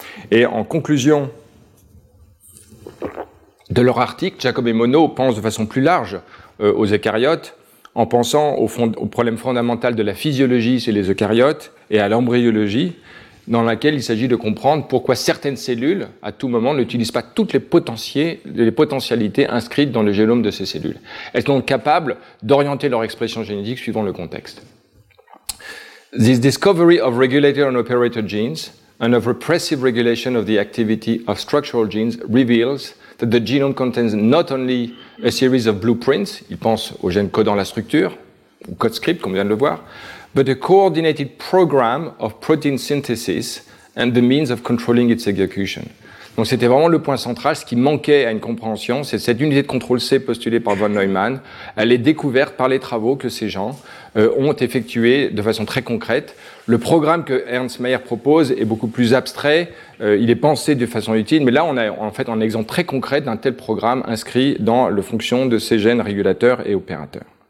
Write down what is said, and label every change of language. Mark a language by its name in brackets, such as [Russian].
[French] Et en conclusion de leur article, Jacob et Monod pensent de façon plus large aux eucaryotes, en pensant au problème fondamental de la physiologie chez les eucaryotes et à l'embryologie, dans laquelle il s'agit de comprendre pourquoi certaines cellules, à tout moment, n'utilisent pas toutes les potentialités inscrites dans le génome de ces cellules. Elles sont capables d'orienter leur expression génétique suivant le contexte. [English] This discovery of regulated and operator genes and of repressive regulation of the activity of structural genes reveals that the genome contains not only a series of blueprints, [French] il pense aux gènes codant la structure, ou code script, comme on vient de le voir, [English] but a coordinated program of protein synthesis and the means of controlling its execution. [French] Donc c'était vraiment le point central, ce qui manquait à une compréhension, c'est cette unité de contrôle C postulée par von Neumann, elle est découverte par les travaux que ces gens ont effectués de façon très concrète. Le programme que Ernst Mayr propose est beaucoup plus abstrait, il est pensé de façon utile, mais là on a en fait un exemple très concret d'un tel programme inscrit dans la fonction de ces gènes régulateurs et opérateurs.